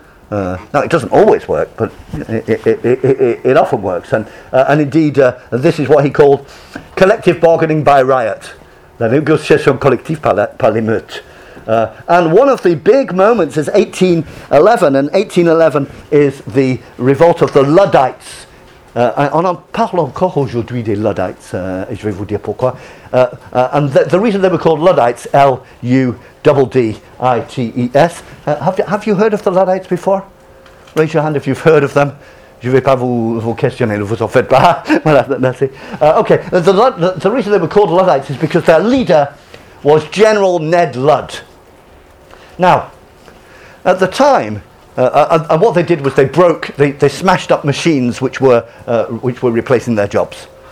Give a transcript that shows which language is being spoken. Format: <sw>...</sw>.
<en>Now, it doesn't always work, but it often works. And indeed, this is what he called collective bargaining by riot.</en> <fr>La négociation collective par les meutes.</fr> <en>And one of the big moments is 1811, and 1811 is the revolt of the Luddites.</en> <fr>On en parle encore aujourd'hui des Luddites, et je vais vous dire pourquoi.</fr> <en>And the reason they were called Luddites, Luddites. Have you heard of the Luddites before? Raise your hand if you've heard of them.</en> <fr>Je ne vais pas vous questionner, ne vous en faites pas. Voilà, merci.</fr> <en>Okay, the reason they were called Luddites is because their leader was General Ned Ludd. Now, at the time, and what they did was they broke, they smashed up machines which were replacing their jobs.</en>